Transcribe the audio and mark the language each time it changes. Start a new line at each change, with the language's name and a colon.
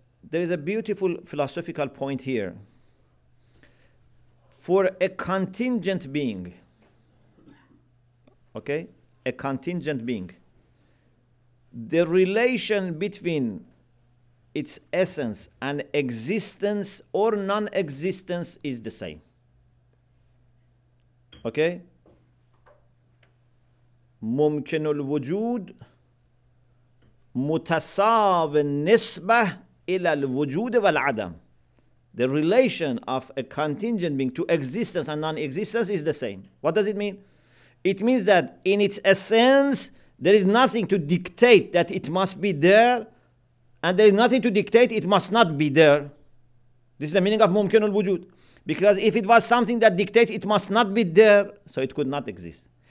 English: There is a beautiful philosophical point here. For a contingent being, okay, a contingent being, the relation between its essence and existence or non-existence is the same. Okay?
Arabic: ممكن الوجود متساو النسبة إلى الوجود والعدم.
English: The relation of a contingent being to existence and non-existence is the same. What does it mean? It means that in its essence, there is nothing to dictate that it must be there, and there is nothing to dictate it must not be there. This is the meaning of ممكن الوجود. Because if it was something that dictates it must not be there, so it could not exist.